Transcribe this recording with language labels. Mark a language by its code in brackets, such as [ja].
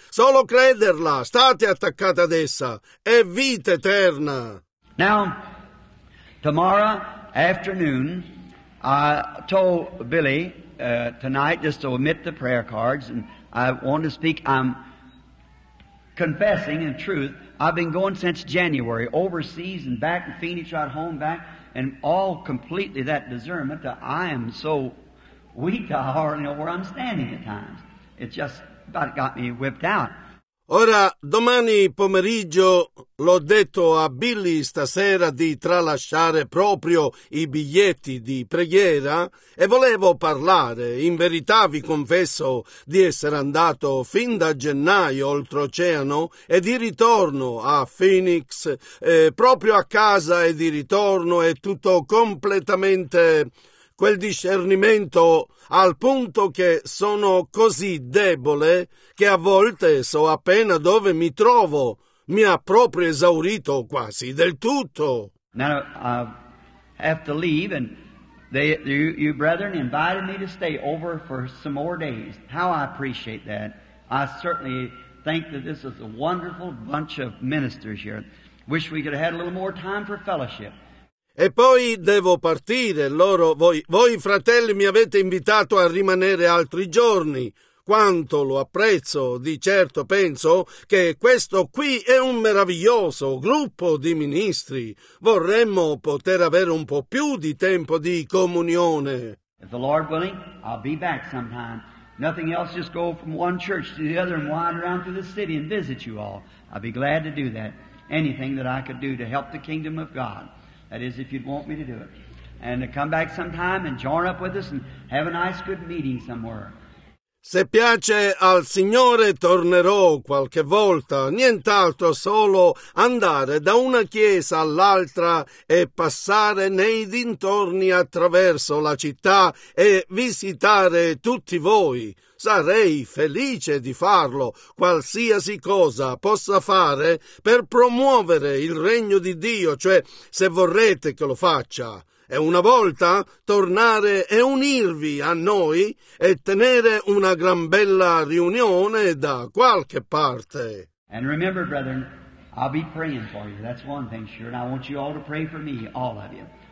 [it] Solo crederla, state attaccata ad essa, è vita eterna. [en] Now, tomorrow afternoon, I told Billy tonight just to omit the prayer cards and I want to speak. I'm confessing in truth. I've been going since January, overseas and back in Phoenix, right home back, and all completely that discernment that I am so weak I hardly know where I'm standing at times. It just about got me whipped out. [it] Ora, domani pomeriggio, l'ho detto a Billy stasera di tralasciare proprio i biglietti di preghiera e volevo parlare. In verità vi confesso di essere andato fin da gennaio oltreoceano e di ritorno a Phoenix, proprio a casa e di ritorno è tutto completamente quel discernimento al punto che sono così debole che a volte so appena dove mi trovo. Mi ha proprio esaurito quasi del tutto. [en] Now I have to leave and you brethren invited me to stay over for some more days. How I appreciate that. I certainly think that this is a wonderful bunch of ministers here. Wish we could have had a little more time for fellowship. [it] E poi devo partire, loro, voi fratelli mi avete invitato a rimanere altri giorni. Quanto lo apprezzo, di certo penso che questo qui è un meraviglioso gruppo di ministri. Vorremmo poter avere un po' più di tempo di comunione. [en] If the Lord willing, I'll be back sometime. Nothing else, just go from one church to the other and wander around through the city and visit you all. I'd be glad to do that. Anything that I could do to help the kingdom of God. That is, if you'd want me to do it. And to come back sometime and join up with us and have a nice good meeting somewhere. [it] Se piace al Signore, tornerò qualche volta. Nient'altro, solo andare da una chiesa all'altra e passare nei dintorni attraverso la città e visitare tutti voi. Sarei felice di farlo, qualsiasi cosa possa fare per promuovere il regno di Dio, cioè se vorrete che lo faccia. E una volta tornare e unirvi a noi e tenere una gran bella riunione da qualche parte. [en] And remember, brethren, I'll be praying for you. That's one thing, sure. And I want you all to pray for me, all of you.